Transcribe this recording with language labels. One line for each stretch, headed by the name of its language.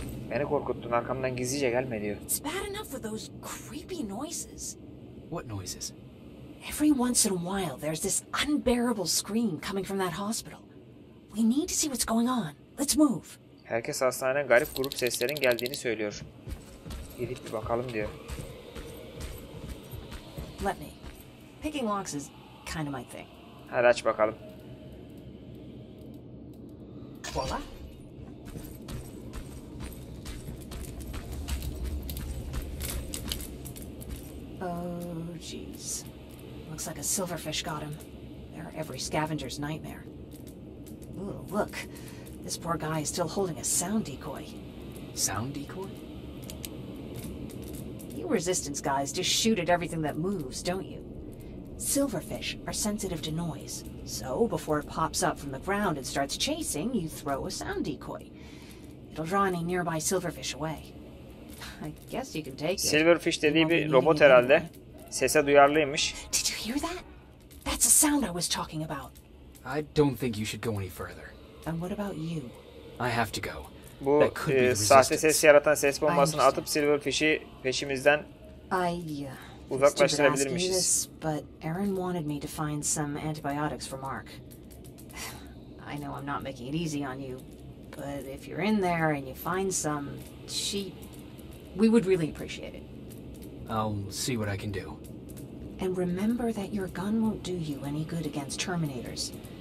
Turkish: Beni korkuttun, arkamdan gizlice gelme diyor.
English: It's bad enough with those creepy noises. What noises? Every once in a while there's this unbearable scream coming from that hospital. We need to see what's going on. Let's move.
Turkish: Herkes hastaneden garip grup seslerin geldiğini söylüyor. Gidip bir bakalım diyor.
English: Let me. Picking locks is kind of my thing.
Turkish: Hadi aç bakalım.
English: Voila. Oh jeez. Looks like a silverfish got him. They're every scavenger's nightmare. Ooh, look. This poor guy is still holding a sound decoy. Sound decoy? You resistance guys just shoot at everything that moves, don't you? Silverfish are sensitive to noise. So before it pops up from the ground and starts chasing, you throw a sound decoy. It'll draw any nearby silverfish away. I guess you can take it.
Turkish: Silverfish dediği bir robot herhalde. Sese duyarlıymış.
English: Did you hear that? That's a sound I was talking about. I don't think you should go any further. And what about you? I have to go.
Turkish: Bu sahte ses yaratan ses bombasını atıp Silverfish'i peşimizden uzaklaştırabilirmişiz.
English: But Aaron wanted me to find some antibiotics for Mark. I know I'm not making it easy on you, but if you're in there and you find some, we would really appreciate it. I'll see what I can do. And remember that your gun won't do you any good against Terminators.